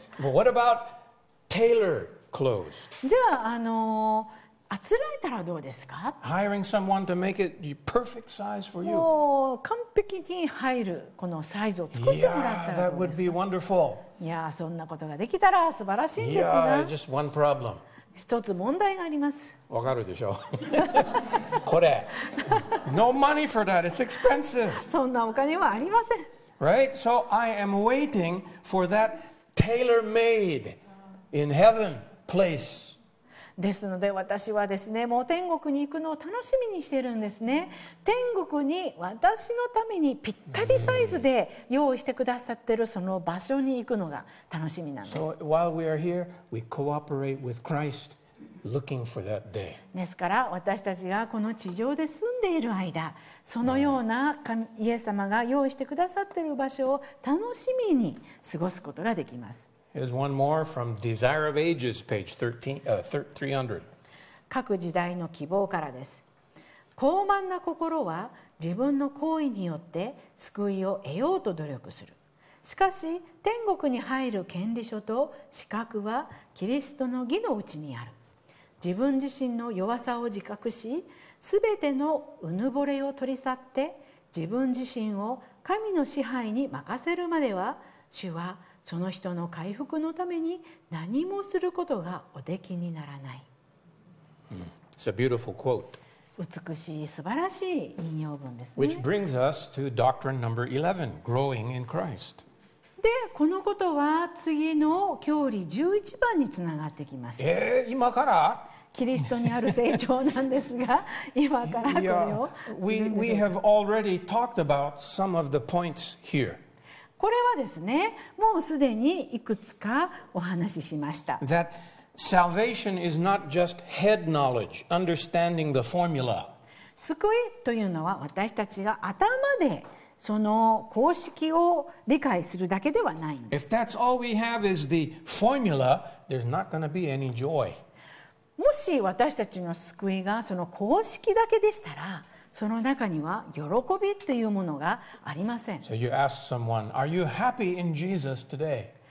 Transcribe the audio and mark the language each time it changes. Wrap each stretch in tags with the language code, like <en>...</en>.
<en>But what about tailor clothes?</en> <ja>じゃああのあつらえたらどうですか</ja> <en>？Hiring someone to make it perfect size for you.</en> <ja>もう完璧に入るこのサイズを作ってもらったらどうですか</ja> <en>？Yeah, that would be wonderful.</en> <ja>いやそんなことができたら素晴らしいんですが。</ja> <en>Yeah, just one problem.</en> <ja>一つ問題があります。わかるでしょう。これ。</ja> <en>No money for that. It's expensive.</en> <ja>そんなお金はありません。</ja> <en>Right? So I am waiting for that tailor-made in heaven place.</en> <ja>ですので私はですね、もう天国に行くのを楽しみにしてるんですね。天国に私のためにぴったりサイズで用意してくださってるその場所に行くのが楽しみなんです。</ja> <en>So while we are here, we cooperate with Christ, looking for that day.</en> <ja>ですから私たちがこの地上で住んでいる間、そのようなイエス様が用意してくださってる場所を楽しみに過ごすことができます。</ja> <en>Here's one more from Desire of Ages, page 300.</en> <ja>各時代の希望からです。高慢な心は自分の行為によって救いを得ようと努力する。しかし天国に入る権利書と資格はキリストの義のうちにある。自分自身の弱さを自覚し、すべてのうぬぼれを取り去って自分自身を神の支配に任せるまでは主はその人の回復のために何もすることがおできにならない。</ja> <en>It's a beautiful quote.</en> <ja>美しい素晴らしい引用文ですね。</ja> <en>Which brings us to doctrine number 11, growing in Christ.</en> <ja>で、このことは次の教理11番につながってきます。今から？キリストにある成長なんですが、今からこれを。</ja> <en>Yeah, we have already talked about some of the points here.</en> <ja>これはですね、もうすでにいくつかお話ししました。</ja> <en>That salvation is not just head knowledge, understanding the formula.</en> <ja>救いというのは私たちが頭でその公式を理解するだけではないんです。</ja> <en>If that's all we have is the formula, there's not going to be any joy.</en> <ja>もし私たちの救いがその公式だけでしたら、その中には喜びというものがありません。</ja> <en>So you ask someone, are you happy in Jesus today?</en>